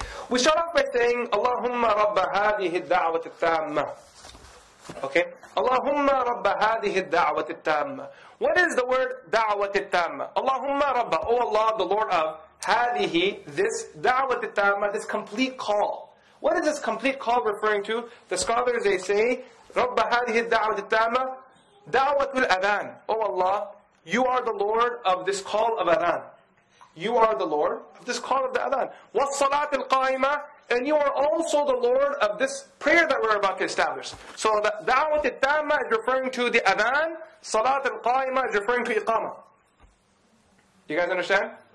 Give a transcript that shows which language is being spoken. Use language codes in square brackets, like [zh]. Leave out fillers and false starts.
[en] We start off by saying, [ar] Allahumma rabba hadihi da'wati tamma. [en] Okay? [ar] Allahumma rabba hadihi da'wati tamma. [en] What is the word [ar] da'wati tamma? Allahumma rabba, [en] O Allah, the Lord of [ar] hadihi, [en] this [ar] da'wati tamma, [en] this complete call. What is this complete call referring to? The scholars, they say, [ar] رَبَّ هَذِهِ الدَّعْوَةِ التَّامَةِ دَعْوَةُ الْأَذَانِ. [en] O Allah, you are the Lord of this call of Adhan. You are the Lord of this call of the Adhan. [ar] وَالصَّلَاةِ الْقَائِمَةِ. [en] And you are also the Lord of this prayer that we're about to establish. So the [ar] دَعْوَةِ التَّامَةِ [en] is referring to the Adhan. [ar] صَلَاةِ الْقَائِمَةِ [en] is referring to Iqama. You guys understand?